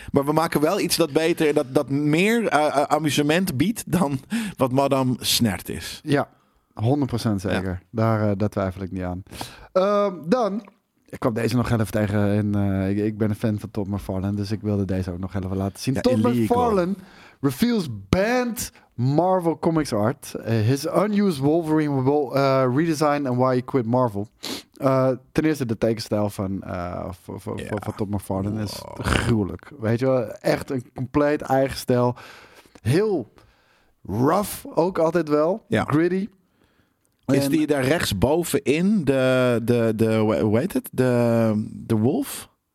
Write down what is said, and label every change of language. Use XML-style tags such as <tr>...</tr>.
<nl>Maar we maken wel iets dat beter, dat meer amusement biedt dan wat Madame Snert is. Ja, 100% zeker. Ja. Daar twijfel ik niet aan. Dan, ik kwam deze nog even tegen. Ik ben een fan van Todd McFarlane, dus ik wilde deze ook nog even laten zien.</nl> <en>Ja, Todd McFarlane reveals banned Marvel Comics art. His unused Wolverine redesign and why he quit Marvel.</en> <nl>Ten eerste de tekenstijl van Todd McFarlane is gruwelijk. Weet je wel, echt een compleet eigen stijl. Heel rough ook altijd wel. Ja. Gritty. Is die daar rechtsbovenin de hoe heet het? De wolf?</nl>